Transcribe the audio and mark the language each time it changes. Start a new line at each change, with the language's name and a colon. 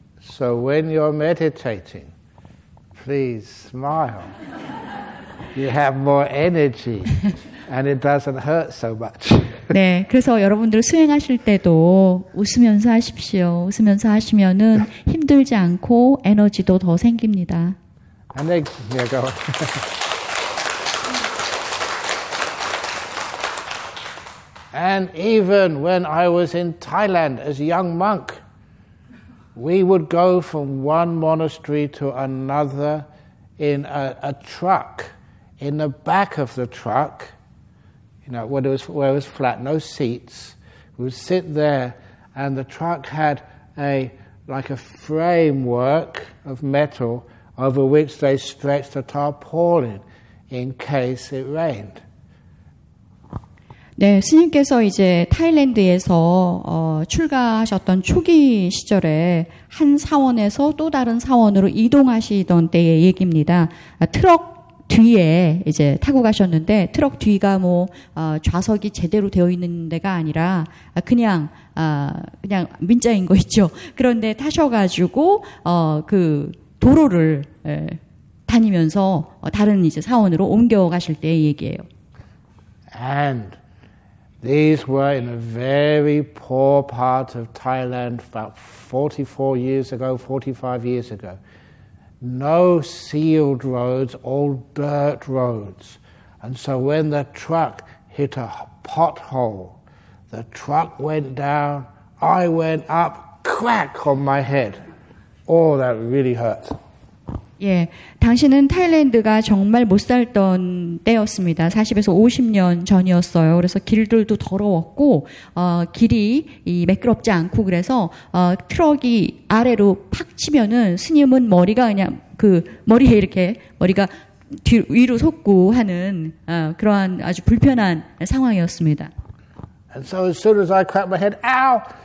English: So when you're meditating, please smile. You have more energy and it doesn't hurt so much.
Korean: 네, 그래서 여러분들 수행하실 때도 웃으면서 하십시오. 웃으면서 하시면은 힘들지 않고 에너지도 더 생깁니다.
English: And they, yeah, go. And even when I was in Thailand as a young monk, we would go from one monastery to another in a truck, in the back of the truck, you know, where it was flat, no seats. We would sit there, and the truck had a framework of metal over which they stretched a tarpaulin in case it rained.
Korean: 네, 스님께서 이제 타일랜드에서 출가하셨던 초기 시절에 한 사원에서 또 다른 사원으로 이동하시던 때의 얘기입니다. 트럭 뒤에 이제 타고 가셨는데 트럭 뒤가 뭐 좌석이 제대로 되어 있는 데가 아니라 그냥 민자인 거 있죠. 그런데 타셔가지고 그 도로를 다니면서 다른 이제 사원으로 옮겨가실 때의 얘기예요.
English: And these were in a very poor part of Thailand about 44 years ago, 45 years ago. No sealed roads, all dirt roads. And so when the truck hit a pothole, the truck went down, I went up, crack on my head. Oh, that really hurt.
Korean: 예, 당신은 타일랜드가 정말 못 살던 때였습니다. 40에서 50년 전이었어요. 그래서 길들도 더러웠고 길이 이 매끄럽지 않고 그래서 트럭이 아래로 팍 치면은 스님은 머리가 그냥 그 머리에 이렇게 머리가 위로 솟고 하는 그러한 아주 불편한 상황이었습니다.
English: And so as soon as I cracked my head, ow!